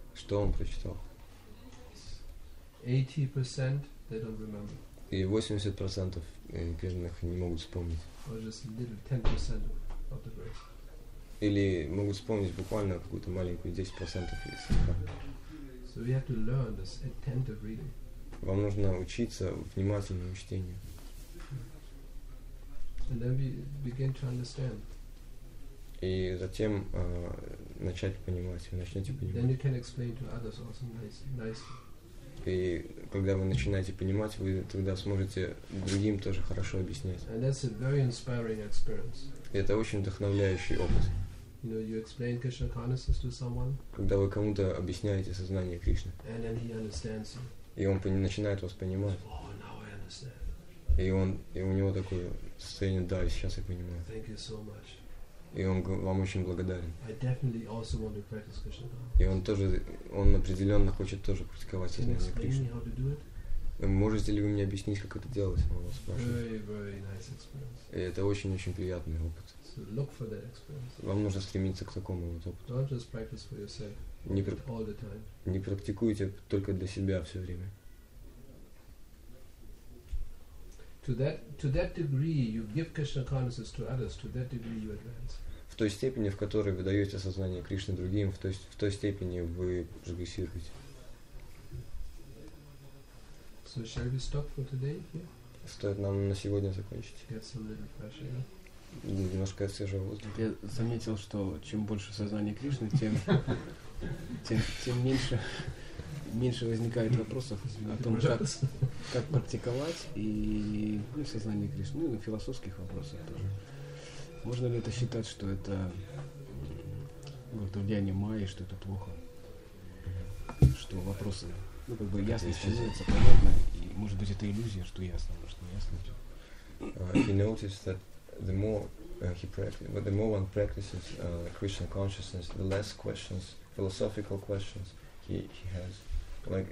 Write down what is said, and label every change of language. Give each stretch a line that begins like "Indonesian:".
Russian: Что он прочитал?
English: 80%. They don't remember.
Russian: И 80% преданных не могут вспомнить.
English: Or just a little 10% of the verse.
Russian: Или могут вспомнить буквально какую-то маленькую 10% из стиха.
English: So we have to learn this attentive reading.
Russian: Вам нужно учиться внимательному чтению.
English: And then we begin to understand.
Russian: И затем начать понимать. Вы начнете понимать.
English: Then you can explain to others also nicely.
Russian: И когда вы начинаете понимать, вы тогда сможете другим тоже хорошо объяснять.
English: And that's a very inspiring experience.
Russian: И это очень вдохновляющий опыт.
English: You know, you explain Krishna consciousness to someone.
Russian: Когда вы кому-то объясняете сознание Кришны.
English: And then he understands you.
Russian: И он начинает вас понимать.
English: Oh, now I understand.
Russian: И у него такое состояние: да, сейчас я понимаю.
English: Thank you so much.
Russian: И он вам очень благодарен.
English: I definitely also want to practice Krishna.
Russian: И он определенно хочет тоже практиковать сознание Кришны.
English: How to do it?
Russian: Можете ли вы мне объяснить, как это делать? Он вас спрашивает.
English: Very, very nice experience.
Russian: И это очень-очень приятный опыт.
English: So look for that experience.
Russian: Вам нужно стремиться к такому вот опыту.
English: Don't just practice for yourself, all the time.
Russian: Не практикуйте только для себя все время.
English: To that degree you give Krishna consciousness to others, to that degree you advance.
Russian: В той степени, в которой вы даете сознание Кришны другим, в той степени вы прогрессируете.
English: So shall we stop for today here?
Russian: Стоит нам на сегодня закончить.
English: Get some little fresh air.
Russian: Немножко свежего воздуха. Я заметил, что чем больше сознание Кришны, тем меньше возникает вопросов о том, как практиковать и сознание Кришны, ну и философских вопросов тоже. Можно ли это считать, что это влияние майи, что это плохо? Что вопросы, ну как бы ясно становится, понятно, и может быть это иллюзия, что ясно, может не ясно.
English: He noticed that the more he practices, the more one practices Krishna consciousness, the less questions, philosophical questions he has. Like